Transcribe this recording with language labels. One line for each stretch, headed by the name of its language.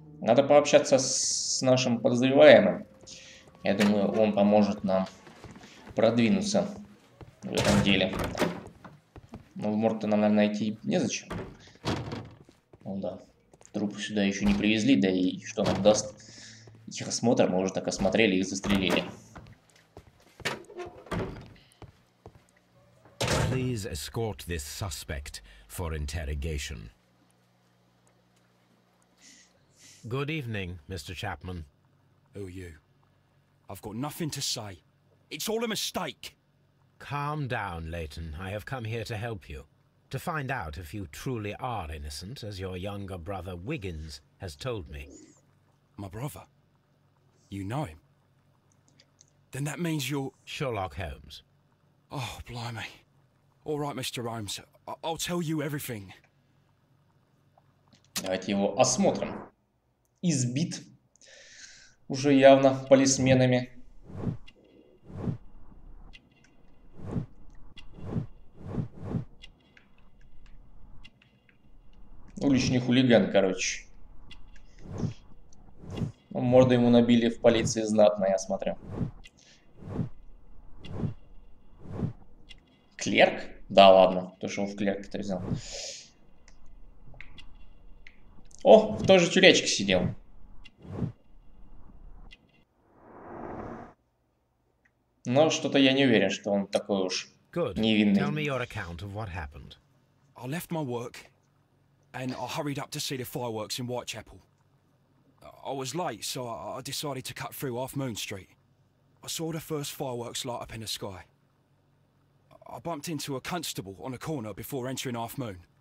Russian: Надо пообщаться с нашим подозреваемым. Я думаю, он поможет нам продвинуться в этом деле. Но в морг-то нам, наверное, найти незачем. Ну да. Труп сюда еще не привезли, да и что нам даст их осмотр, мы уже так осмотрели и застрелили.
English: Please escort this suspect for interrogation. Good evening, Mr. Chapman. Who are you? I've got nothing to say. It's all a mistake. Calm down, Layton. I have come here to help you. To find out if you truly are innocent, as your younger brother Wiggins has told me. My brother? You know him? Then that means you're... Sherlock Holmes. Oh, blimey. All right, Mr. Holmes. I'll tell you everything.
Russian: Давайте его осмотрим. Избит уже явно полисменами. Уличный хулиган, короче. Ну, морду ему набили в полиции знатно, я смотрю. Клерк? Да ладно, то, что он в клерке-то взял. О, в той же тюрячке сидел. Но что-то я не уверен, что он такой уж невинный.
English: Tell me your account of what happened. I left my work. And I hurried up to see the fireworks in Whitechapel. I was late, so I decided to cut through off Moon Street. I saw the first fireworks light up in the sky. I bumped into a constable on a corner before entering Half Moon.